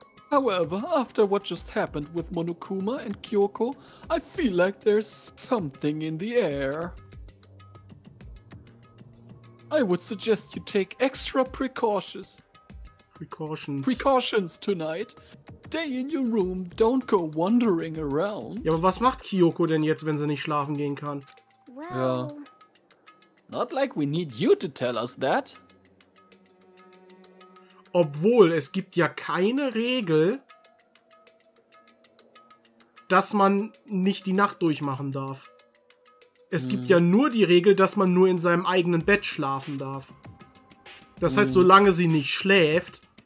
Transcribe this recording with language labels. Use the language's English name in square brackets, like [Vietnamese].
[English] However, after what just happened with Monokuma and Kyoko, I feel like there's something in the air. I would suggest you take extra precautions. Precautions tonight. Stay in your room, don't go wandering around. [German] Ja, aber was macht Kyoko denn jetzt, wenn sie nicht schlafen gehen kann? Well. Ja. [English] Not like we need you to tell us that. [German] Obwohl, es gibt ja keine Regel, dass man nicht die Nacht durchmachen darf. Es gibt ja nur die Regel, dass man nur in seinem eigenen Bett schlafen darf. Das heißt, solange sie nicht schläft...